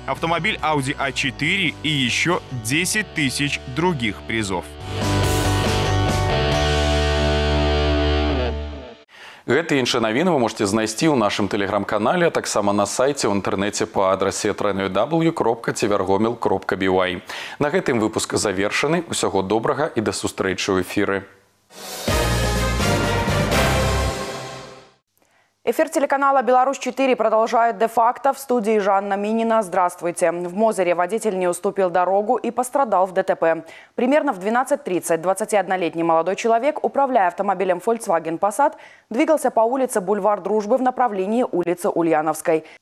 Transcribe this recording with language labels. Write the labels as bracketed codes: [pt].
[ru] Автомобиль Audi A4 и еще 10 тысяч других призов. [be] Гэты іншыя навіны вы можете знайсці ў нашым телеграм-канале, а таксама на сайте ў інтэрнэце па адрасе www.tvergomil.by. На гэтым выпуск завершаны. Усяго добрага і да сустрэчы ў эфіры. [ru] Эфир телеканала «Беларусь-4» продолжает де-факто. В студии Жанна Минина. Здравствуйте. В Мозыре водитель не уступил дорогу и пострадал в ДТП. Примерно в 12:30 21-летний молодой человек, управляя автомобилем Volkswagen Passat, двигался по улице Бульвар Дружбы в направлении улицы Ульяновской.